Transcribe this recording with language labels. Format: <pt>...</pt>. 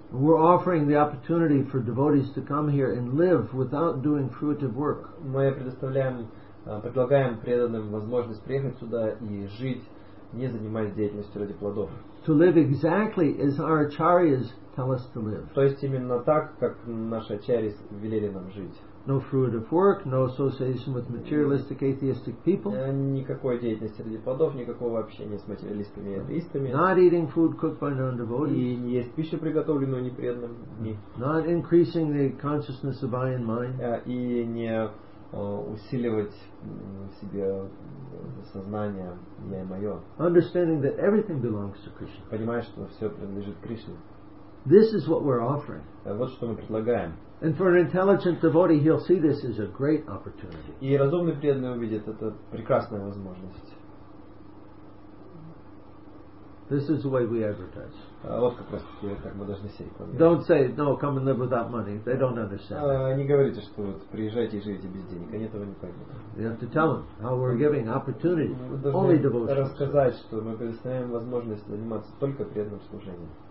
<en>We're offering the opportunity for devotees to come here and live without doing fruitive work.</en> <ru>Мы предлагаем преданным возможность приехать сюда и жить, не занимаясь деятельностью ради плодов.</ru> <en>To live exactly as our acharyas tell us to live.</en> <ru>То есть именно так, как наши ачарьи велели нам жить.</ru> <en>No fruitive work, no association with materialistic atheistic people.</en> <ru>Никакой деятельности ради плодов, никакого общения с материалистами и атеистами.</ru> <en>Not eating food cooked by non-devotees.</en> <ru>И не есть пищу, приготовленную непреданным.</ru> <en>Not increasing the consciousness of I and mine.</en> <ru>И не усиливать себе сознание я и мое.</ru> <en>Understanding that everything belongs to Krishna.</en> <ru>Понимая, что все принадлежит Кришне.</ru> <en>This is what we're offering.</en> <ru>Вот что мы предлагаем.</ru> <en>And for an intelligent devotee, he'll see this as a great opportunity.</en> <ru>И разумный преданный увидит это прекрасная возможность.</ru> <en>This is the way we advertise.</en> <ru>Вот как раз так мы должны себе помнить.</ru> <en>Don't say, no, come and live without money. They don't understand.</en> <ru>Не говорите, что вот, приезжайте и живите без денег. Они этого не поймут.</ru> <en>You have to tell them how we're giving opportunity. Only devotion.</en> <ru>Рассказать, что мы предоставляем возможность заниматься только преданным служением.</ru>